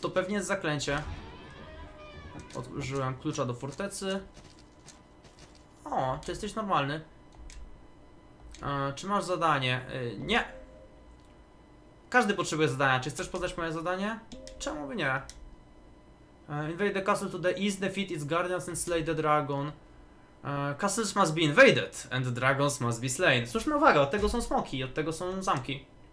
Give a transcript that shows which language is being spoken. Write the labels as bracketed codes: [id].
[pl] To pewnie jest zaklęcie. Użyłem klucza do fortecy. O, ty jesteś normalny. Czy masz zadanie? Nie. Każdy potrzebuje zadania. Czy chcesz poznać moje zadanie? Czemu by nie? [en] Invade the castle to the east, defeat its guardians and slay the dragon. Castles must be invaded and dragons must be slain. [pl] Słuszna uwaga, od tego są smoki, od tego są zamki.